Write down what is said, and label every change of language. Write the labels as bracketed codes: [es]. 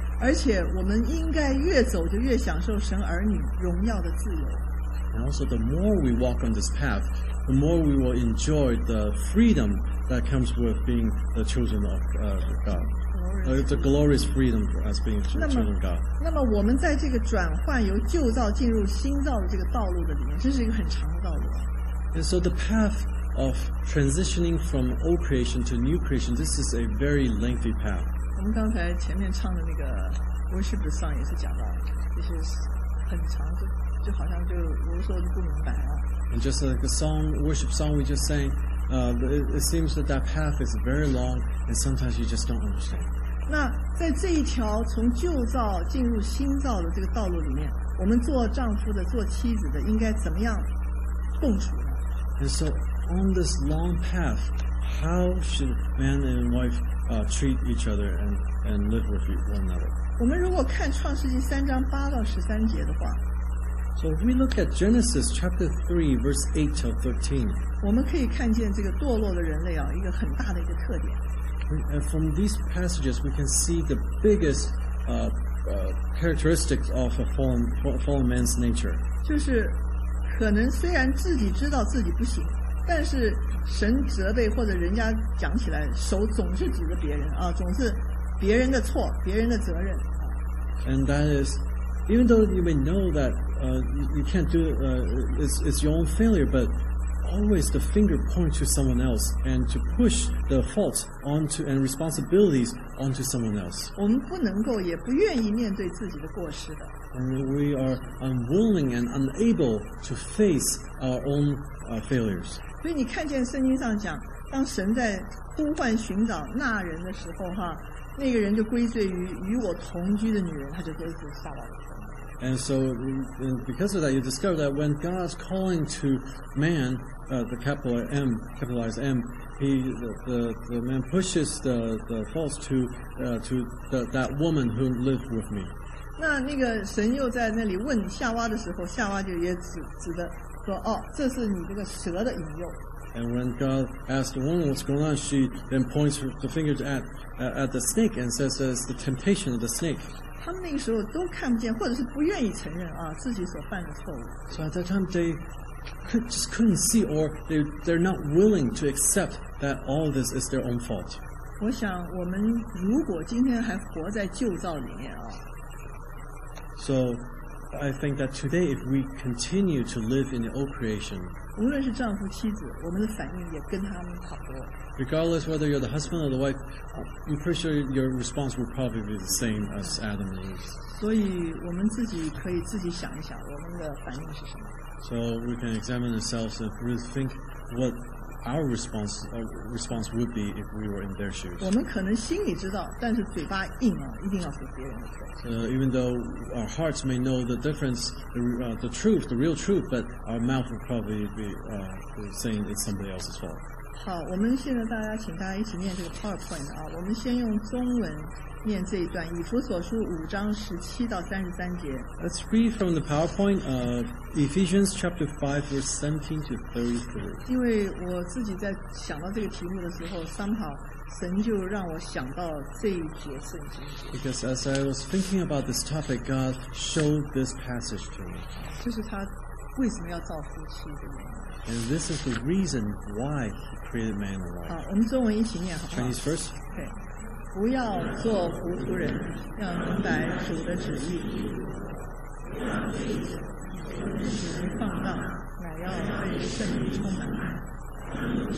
[zh] 而且我们应该越走就越享受神儿女荣耀的自由。 [en] And also the more we walk on this path, the more we will enjoy the freedom that comes with being the children of God. It's a glorious freedom as being children of God. [zh] 那么我们在这个转换由旧造进入新造的这个道路的里面，这是一个很长的道路。 [en] And so the path of transitioning from old creation to new creation, this is a very lengthy path. [zh] 我们刚才前面唱的那个 worship song 也是讲到，这是很长的。 [en] And just like the song, worship song we just sang, it seems that that path is very long, and sometimes you just don't understand. [zh] 那在这一条从旧造进入新造的这个道路里面，我们做丈夫的、做妻子的，应该怎么样共处呢？ [en] And so on this long path, how should man and wife treat each other and live with one another? [zh] 我们如果看创世纪三章八到十三节的话， [en] So if we look at Genesis chapter 3 verse 8 to 13, [zh] 我们可以看见这个堕落的人类啊，一个很大的一个特点。 [en] And from these passages, we can see the biggest characteristics of a fallen man's nature. [zh] 就是可能虽然自己知道自己不行，但是神责备或者人家讲起来，手总是指着别人啊，总是别人的错，别人的责任。 [en] And that is, even though you may know that you can't do it's your own failure, but always the finger point to someone else and to push the faults onto and responsibilities onto someone else. [zh] 我们不能够也不愿意面对自己的过失的。 [en] And we are unwilling and unable to face our own failures. [zh] 所以你看见圣经上讲，当神在呼唤寻找那人的时候，哈，那个人就归罪于与我同居的女人，他就归罪夏娃。 [en] And so, and because of that, you discover that when God's calling to man, the man pushes the faults to that woman who lived with me. [zh] 那个神又在那里问夏娃的时候，夏娃就也指着说，哦，这是你这个蛇的引诱。 [en] And when God asked the woman what's going on, she then points the fingers at the snake and says it's the temptation of the snake. [zh] 他们那个时候都看不见，或者是不愿意承认啊自己所犯的错误。 [en] So at that time they just couldn't see, or they're not willing to accept that all of this is their own fault. [zh] 我想我们如果今天还活在旧造里面啊。 [en] So I think that today if we continue to live in the old creation, [zh] 无论是丈夫妻子，我们的反应也跟他们差不多。 [en] Regardless whether you're the husband or the wife, I'm pretty sure your response will probably be the same as Adam and Eve. [zh] 所以我们自己可以自己想一想，我们的反应是什么。 [en] So we can examine ourselves and really think what our response would be if we were in their shoes. [zh] 我们可能心里知道，但是嘴巴硬啊，一定要说别人的错。 [en] Even though our hearts may know the difference, the truth, the real truth, but our mouth will probably be saying it's somebody else's fault. [zh] 好，我们现在大家请大家一起念这个 PowerPoint 啊。我们先用中文念这一段，以弗所书五章十七到三十三节。 [en] Let's read from the PowerPoint, Ephesians chapter 5, verse 17 to 33. [zh] 因为我自己在想到这个题目的时候，somehow神就让我想到这一节圣经。 [en] Because as I was thinking about this topic, God showed this passage to me. [zh] 这是他为什么要造夫妻的原因。 [en] And this is the reason why He created man and wife. [zh] 好，我们中文一起念好不好 [en] ？Chinese first. Okay. [zh] 不要做糊涂人，要明白主的旨意。使人放荡，乃要被圣灵充满。